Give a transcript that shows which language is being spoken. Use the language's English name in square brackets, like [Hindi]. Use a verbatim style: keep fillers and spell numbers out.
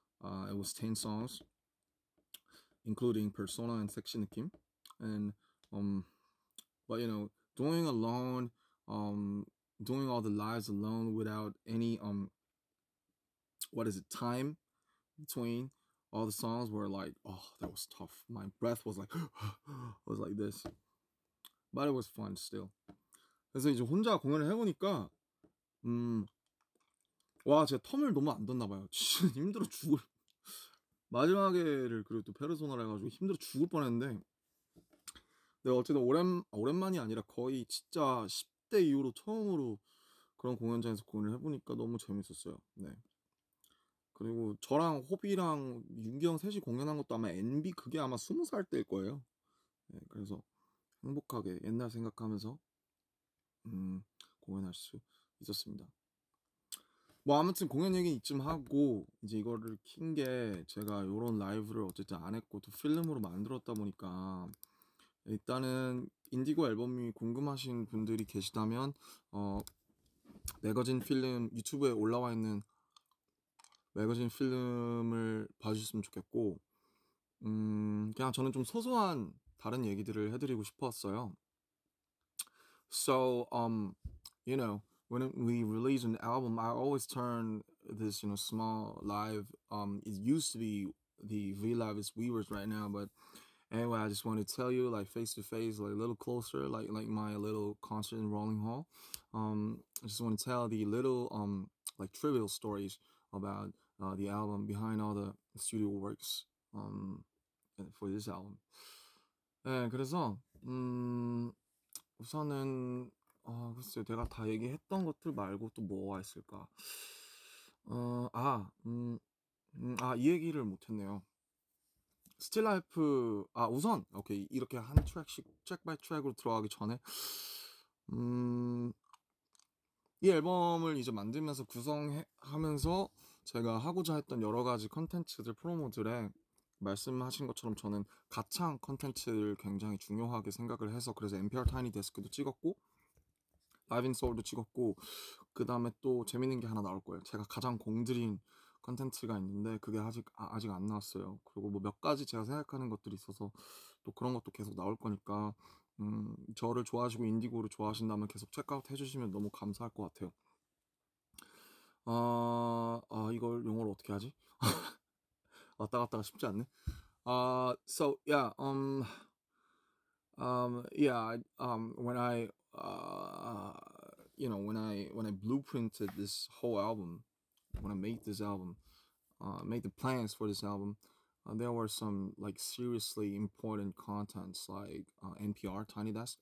[English] Uh, it was ten songs, including Persona and Section Kim, and um, but you know, doing alone, um, doing all the lives alone without any um, what is it? Time between all the songs were like, oh, that was tough. My breath was like, was like this, but it was fun still. [Korean] 그래서 이제 혼자 공연을 해보니까, 음. 와, 제가 텀을 너무 안 뒀나 봐요. 진짜 힘들어 죽을. 마지막에를 그리고 또 페르소나를 해가지고 힘들어 죽을 뻔했는데 내가 어쨌든 오랜, 오랜만이 아니라 거의 진짜 십 대 이후로 처음으로 그런 공연장에서 공연을 해보니까 너무 재밌었어요. 네. 그리고 저랑 호비랑 윤기 형 셋이 공연한 것도 아마 엔비 그게 아마 스무 살 때일 거예요. 예, 그래서 행복하게 옛날 생각하면서 음, 공연할 수 있었습니다. 뭐 아무튼 공연 얘기 이쯤 하고 이제 이거를 킨 게 제가 요런 라이브를 어쨌든 안 했고 또 필름으로 만들었다 보니까 일단은 인디고 앨범이 궁금하신 분들이 계시다면 어 매거진 필름 유튜브에 올라와 있는 매거진 필름을 봐주셨으면 좋겠고 음 그냥 저는 좀 소소한 다른 얘기들을 해드리고 싶었어요. [English] So um you know when we release an album, I always turn this you know small live um it used to be the V Live is Weavers right now, but anyway, I just want to tell you, like face to face, like a little closer, like like my little concert in Rolling Hall. Um, I just want to tell the little um like trivial stories about uh, the album behind all the studio works um for this album. [Korean] 네, 그래서 음 우선은 아 글쎄요, 제가 다 얘기했던 것들 말고 또 뭐가 있을까? 어, 아, 음, 음, 아, 이 얘기를 못했네요. 스틸라이프 아 우선 오케이 이렇게 한 트랙씩 트랙 바이 트랙으로 들어가기 전에 음, 이 앨범을 이제 만들면서 구성하면서 제가 하고자 했던 여러 가지 컨텐츠들 프로모들에 말씀하신 것처럼 저는 가창 컨텐츠를 굉장히 중요하게 생각을 해서 그래서 엠피아르 타이니 데스크도 찍었고 라이브 인 소울도 찍었고 그 다음에 또 재밌는 게 하나 나올 거예요. 제가 가장 공들인 컨텐츠가 있는데 그게 아직 아, 아직 안 나왔어요. 그리고 뭐 몇 가지 제가 생각하는 것들이 있어서 또 그런 것도 계속 나올 거니까 음, 저를 좋아하시고 인디고를 좋아하신다면 계속 체크아웃 해주시면 너무 감사할 것 같아요. 아, 아 이걸 영어로 어떻게 하지? 왔다 갔다가 쉽지 않네. [English] 아, so yeah, um, um, yeah, I- um, when I, uh, you know, when I when I blueprinted this whole album, when I made this album, uh, made the plans for this album, uh, there were some like seriously important contents like uh, N P R Tiny Desk.